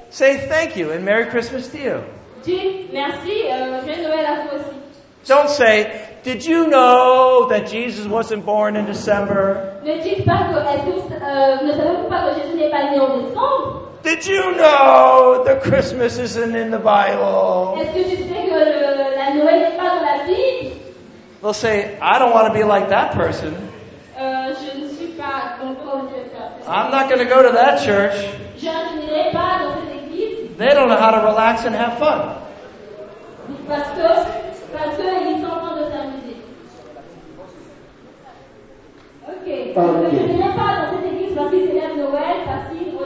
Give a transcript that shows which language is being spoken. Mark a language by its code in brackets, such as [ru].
[en] say thank you and Merry Christmas to you. [fr] Dis, merci, Joyeux Noël à vous aussi. [en] Don't say, did you know that Jesus wasn't born in December? [fr] Ne dites pas que, ne savez-vous pas que Jésus n'est pas né en décembre? [en] Did you know the Christmas isn't in the Bible? [fr] Est-ce que tu sais que la Noël n'est pas dans la Bible? [en] They'll say, I don't want to be like that person. [fr] Je ne suis pas comme [en] I'm not going to go to that church. [fr] Je n'irai pas dans cette église. [en] They don't know how to relax and have fun. [fr] Parce que ils sont en train de s'amuser. Okay. Je n'irai pas dans cette église parce qu'ils célèbrent Noël, parce qu'ils